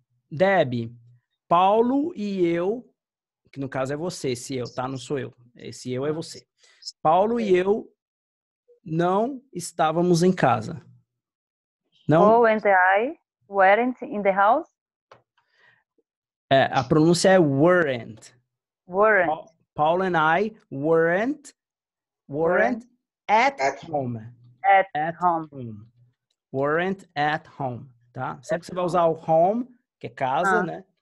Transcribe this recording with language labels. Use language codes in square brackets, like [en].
[pt] Deb, Paulo e eu, que no caso é você, esse eu, tá? Não sou eu. Esse eu é você. Paulo e eu não estávamos em casa. Não? [en] Oh, and I weren't in the house? [pt] É, a pronúncia é weren't. [en] Weren't. Paul and I weren't at home. At home. Weren't at home, tá? [pt] Sabe que você vai usar o home, que é casa, né?